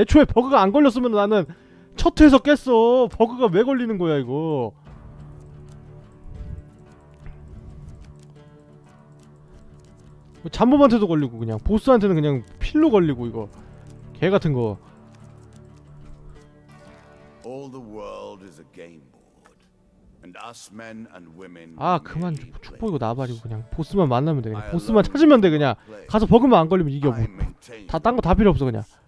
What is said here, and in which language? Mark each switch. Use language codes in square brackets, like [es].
[ko] 애초에 버그가 안 걸렸으면 나는 첫회에서 깼어. 버그가 왜 걸리는 거야 이거? 잠범한테도 걸리고 그냥 보스한테는 그냥 필로 걸리고 이거 개 같은 거. [en] All the world is a game board, and us men and women. [ko] 아 그만 축복이고 나발이고 그냥 보스만 만나면 돼. 그냥 보스만 찾으면 돼. 그냥 가서 버그만 안 걸리면 이겨. 다 딴 거 다 필요 없어 그냥.